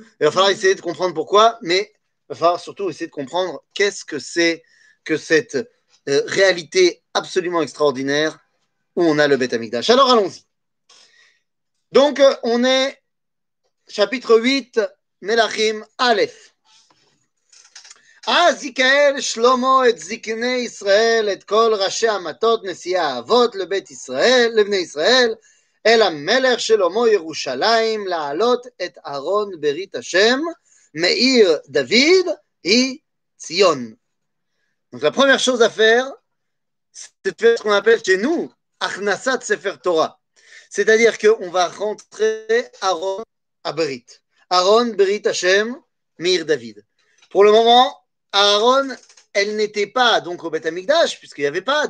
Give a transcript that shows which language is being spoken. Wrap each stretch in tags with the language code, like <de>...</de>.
<fr>Il va falloir essayer de comprendre pourquoi, mais il va falloir surtout essayer de comprendre qu'est-ce que c'est que cette réalité absolument extraordinaire où on a le Beit HaMikdash. Alors, allons-y. Donc, on est chapitre 8, Melachim Aleph.</fr> <he>אז יקהל שלמה את זקני ישראל, את כל ראשי המטות, נשיאי האבות לבית ישראל, לבני ישראל, אל המלך שלמה ירושלים, לעלות את ארון ברית השם, מאיר דוד, היא ציון.</he> <fr>Donc la première chose à faire, c'est ce qu'on appelle chez nous, הכנסת ספר תורה. C'est-à-dire qu'on va rentrer ארון הברית. ארון ברית השם, מאיר דוד. Pour le moment, Aaron, elle n'était pas donc au Beit HaMikdash, puisqu'il n'y avait pas.</fr>